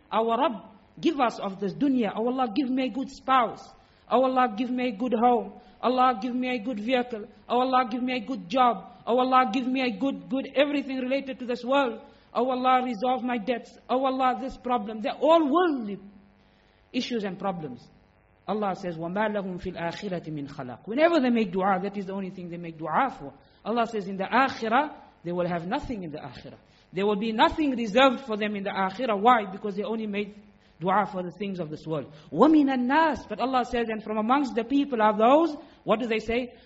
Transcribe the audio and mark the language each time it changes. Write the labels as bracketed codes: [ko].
[en] Our Rabb, give us of this dunya. Oh Allah, give me a good spouse. Oh Allah, give me a good home. Allah, give me a good vehicle. Oh Allah, give me a good job. Oh Allah, give me a good everything related to this world. Oh Allah, resolve my debts. Oh Allah, this problem. They're all worldly issues and problems. Allah says, [ar] وَمَا لَهُمْ فِي الْآخِرَةِ مِنْ خَلَقٍ. [en] Whenever they make dua, that is the only thing they make dua for. Allah says, in the akhirah, they will have nothing in the akhirah. There will be nothing reserved for them in the akhirah. Why? Because they only made dua for the things of this world. [ar] وَمِنَ النَّاسِ. [en] But Allah says, and from amongst the people are those, what do they say?